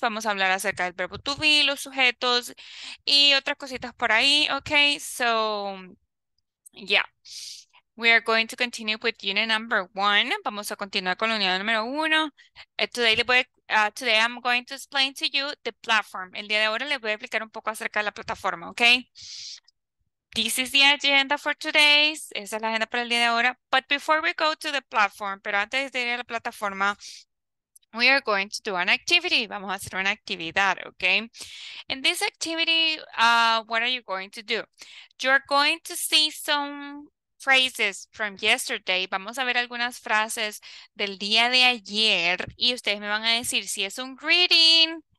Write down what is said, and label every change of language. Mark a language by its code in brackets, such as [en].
[es] Vamos a hablar acerca del verbo to be, los sujetos y otras cositas por ahí. [en] Okay, so yeah. We are going to continue with unit number one. [es] Vamos a continuar con la unidad número uno. [en] Today I'm going to explain to you the platform. [es] El día de ahora les voy a explicar un poco acerca de la plataforma, okay? [en] This is the agenda for today. [es] Esa es la agenda para el día de ahora. [en] But before we go to the platform, [es] pero antes de ir a la plataforma, [en] we are going to do an activity. [es] Vamos a hacer una actividad, okay? [en] In this activity, what are you going to do? You're going to see some phrases from yesterday. [es] Vamos a ver algunas frases del día de ayer y ustedes me van a decir si es un greeting.